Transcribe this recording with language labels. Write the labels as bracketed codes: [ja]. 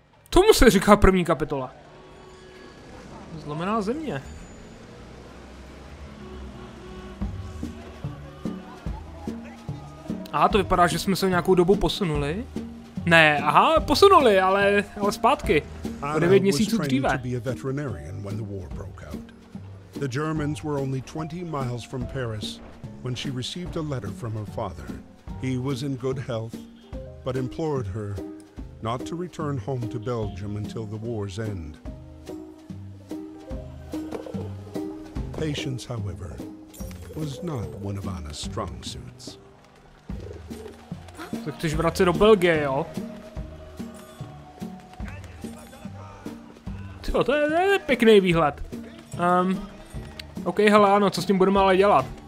[cs] Tomu se říká první kapitola. Zlomená země. Aha, to vypadá, že jsme se nějakou dobu posunuli. Ne, aha, posunuli, ale zpátky. O 9 měsíců dříve. [en] To be a veterinarian when the war broke out. The Germans were only 20 miles from Paris when she received a letter from her father. He was in good health, but implored her not to return home to Belgium until the war's end. Patience, however, was not one of Anna's strong suits. [cs] Tak chceš vrátit do Belgie, jo? Tyjo, to je pěkný výhled. Okej, hele, ano, co s tím budeme ale dělat?